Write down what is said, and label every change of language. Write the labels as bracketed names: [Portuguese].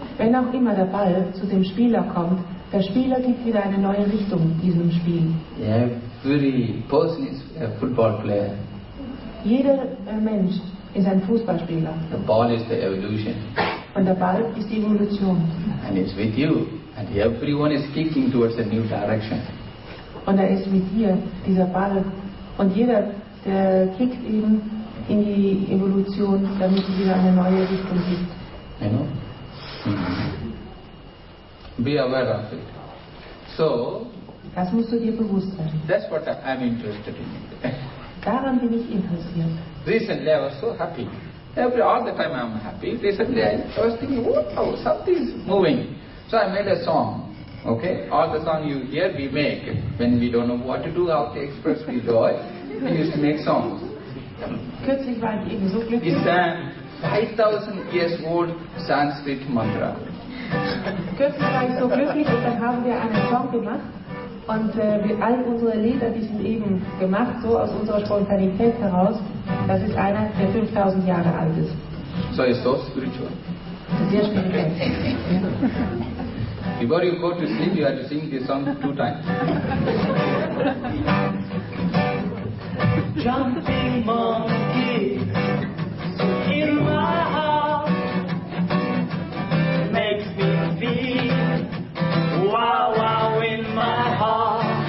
[German] Wenn auch immer der Ball zu dem Spieler kommt, der Spieler gibt wieder eine neue Richtung diesem Spiel. [English] Every person is a football player. [German] Jeder Mensch ist ein Fußballspieler. [English] The ball is the evolution. [German] Und der Ball ist die Evolution. [English] And it's with you. And everyone is kicking towards a new direction. [German] Und er ist mit dir, dieser Ball. Und jeder, der kickt eben in die Evolution, damit es wieder eine neue Richtung gibt. [English] You know? Be aware of it. So, [German] das musst du dir bewusst sein. [English] That's what I'm interested in. [German] Daran bin ich interessiert. [English] Recently I was so happy. All the time I'm happy. Recently I was thinking, wow, something is moving. So I made a song. Okay? All the song you hear we make. When we don't know what to do, how to express we joy, we used to make songs. [German] Kürzlich war ich eben so glücklich. [English] It's a 5000 years old Sanskrit mantra. [German] Kürzlich war ich so glücklich und dann haben wir einen Song gemacht und all unsere Lieder, die sind eben gemacht, so aus unserer Spontanität heraus. Das ist einer, der 5000 Jahre alt ist. So ist das spiritual. Sehr spirituell. [English] Before you go to sleep, you have to sing this song two times. Jumping monkey in my heart makes me feel wow wow in my heart.